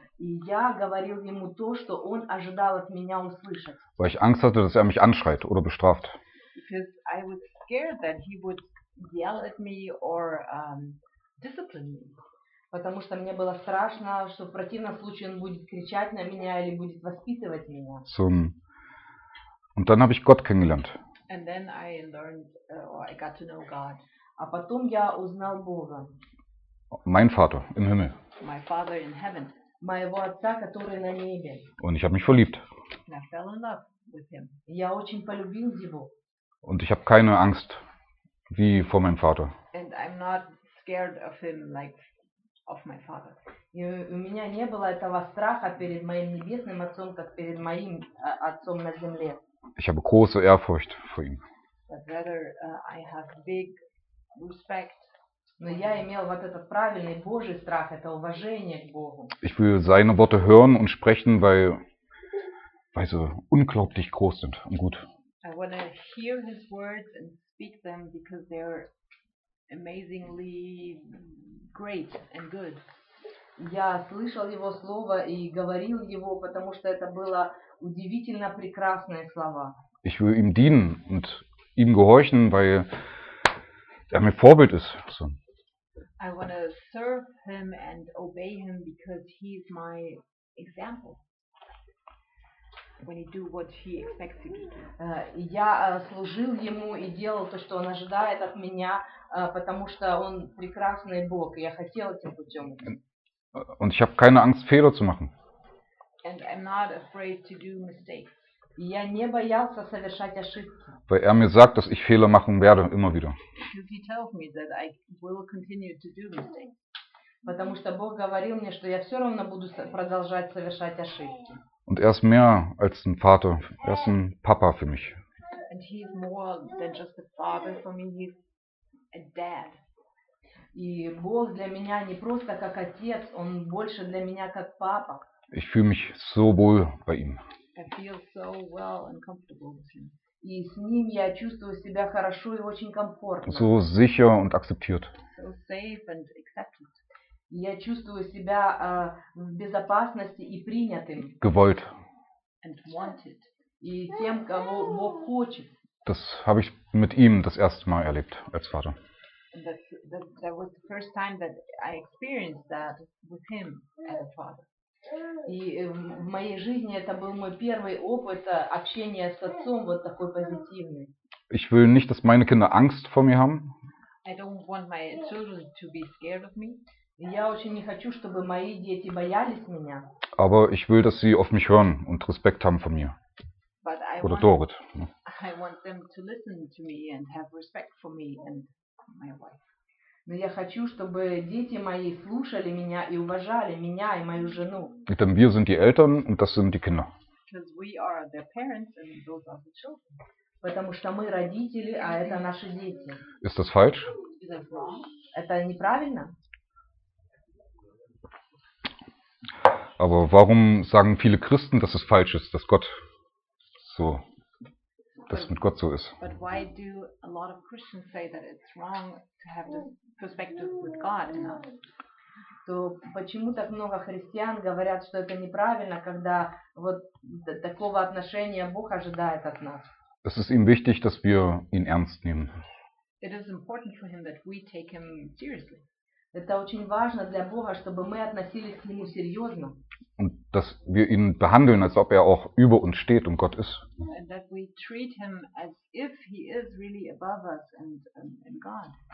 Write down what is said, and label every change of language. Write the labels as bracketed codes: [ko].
[ru] И я говорил ему то, что он ожидал от меня услышать. [de] Weil ich Angst hatte, dass er mich anschreit oder bestraft. [en] Because I was scared that he would yell at me or discipline me. [ru] Потому что мне было страшно, что в противном случае он будет кричать на меня или будет воспитывать меня. [de] So, und dann habe ich Gott kennengelernt. [en] And then I learned or I got to know God. [ru] А потом я узнал Бога. [de] Mein Vater im Himmel. [en] My father in heaven. [ru] Моего отца, который на небе. [de] Und ich habe mich verliebt. [en] And I fell in love with him. [ru] Я очень полюбил его. [de] Und ich habe keine Angst wie vor meinem Vater. [en] And I'm not scared of him like of my father. [ru] И у меня не было этого страха перед моим небесным отцом, как перед моим отцом на земле. [de] Ich habe große Ehrfurcht vor ihm. [en] But rather, I have big respect. [ru] Но я имел вот этот правильный Божий страх, это уважение к Богу. [de] Ich will seine Worte hören und sprechen, weil sie unglaublich groß sind und gut. [en] I want to hear his words and speak them because they're amazingly great and good. [ru] Я слышал его слово и говорил его, потому что это было удивительно прекрасные слова. [de] Ich will ihm dienen und ihm gehorchen, weil er mein Vorbild ist. [en] So. I want to serve him and obey him because he's my example. when you do what he expects you to do. [ru] Я служил ему и делал то, что он ожидает от меня, потому что он прекрасный Бог, и я хотел этим путем. [de] Und ich habe keine Angst, Fehler zu machen. [en] And I'm not afraid to do mistakes. [ru] Я не боялся совершать ошибки. [de] Weil er mir sagt, dass ich Fehler machen werde, immer wieder. [en] He tells me that I will continue to do mistakes. [ru] Потому что Бог говорил мне, что я все равно буду продолжать совершать ошибки. [de] Und er ist mehr als ein Vater, er ist ein Papa für mich. [en] And he is more than just a father for me, he's a dad. [ru] И Бог для меня не просто как отец, он больше для меня как папа. [de] Ich fühle mich so wohl bei ihm. [en] I feel so well and comfortable with him. [ru] И с ним я чувствую себя хорошо и очень комфортно. [de] So sicher und akzeptiert. [en] So safe and accepted. [ru] Я чувствую себя в безопасности и принятым. [de] Gewollt. [en] And wanted. [ru] И тем, кого Бог хочет. [de] Das habe ich mit ihm das erste Mal erlebt als Vater. [en] That was the first time that I experienced that with him as a father. [ru] И в моей жизни это был мой первый опыт общения с отцом вот такой позитивный. [de] Ich will nicht, dass meine Kinder Angst vor mir haben. [en] I don't want my children to be scared of me. [ru] Я очень не хочу, чтобы мои дети боялись меня. [de] Aber ich will, dass sie auf mich hören und Respekt haben vor mir. [en] But [de] oder [en] want, Dorit. I want them to listen to me and have respect for me and my wife. [ru] Но я хочу, чтобы дети мои слушали меня и уважали меня и мою жену. [de] Denn wir sind die Eltern und das sind die Kinder. [en] Because we are their parents and those are the children. [ru] Потому что мы родители, а это наши дети. [de] Ist das falsch? [en] Is that wrong? [ru] Это неправильно? [de] Aber warum sagen viele Christen, dass es falsch ist, dass Gott so, dass mit Gott so ist? [en] But why do a lot of Christians say that it's wrong to have this perspective with God in us? [ru] То почему так много христиан говорят, что это неправильно, когда вот такого отношения Бог ожидает от нас? [de] Es ist ihm wichtig, dass wir ihn ernst nehmen. [en] It is important for him that we take him seriously. [ru] Это очень важно для Бога, чтобы мы относились к нему серьезно. [de] Und dass wir ihn behandeln, als ob er auch über uns steht und Gott ist. [en] And that we treat him as if he is really above us and God.